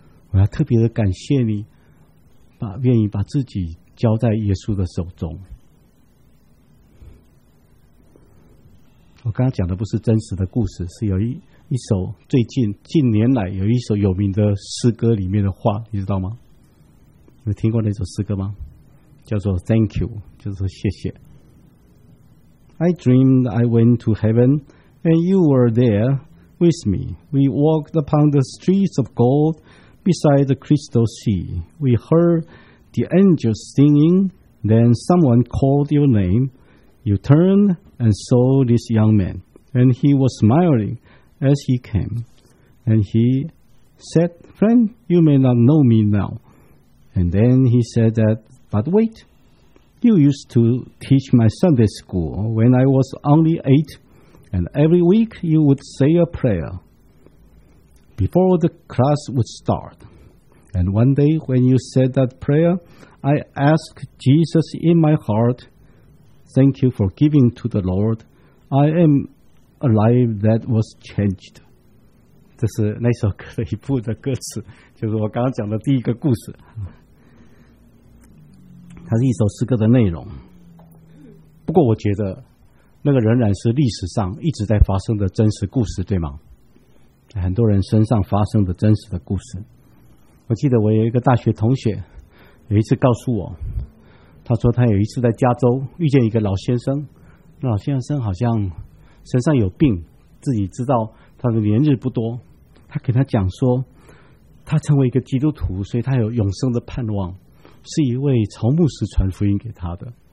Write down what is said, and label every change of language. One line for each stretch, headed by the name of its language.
Chinese: 我要特别的感谢你，愿意把自己交在耶稣的手中。我刚刚讲的不是真实的故事，是有一首最近年来有一首有名的诗歌里面的话，你知道吗？你听过那首诗歌吗？叫做 Thank You， 就是说谢谢。
English: I dreamed I went to heaven and you were there with me. We walked upon the streets of gold beside the crystal sea. We heard the angels singing. Then someone called your name. You turned and saw this young man, and he was smiling as he came. And he said, "Friend, you may not know me now." And then he said that, "But wait, you used to teach my Sunday school when I was only 8, and every week you would say a prayer before the class would start. And one day when you said that prayer, I asked Jesus in my heart, 'Thank you for giving to the Lord. I am a life that was changed.'"
Chinese: 这是那首歌的一部的歌词，就是我刚刚讲的第一个故事。它是一首诗歌的内容。不过我觉得那个仍然是历史上一直在发生的真实故事，对吗？很多人身上发生的真实的故事。我记得我有一个大学同学有一次告诉我，他说他有一次在加州遇见一个老先生，那老先生好像身上有病，自己知道他的年日不多，他给他讲说他成为一个基督徒，所以他有永生的盼望，是一位曹牧师传福音给他的。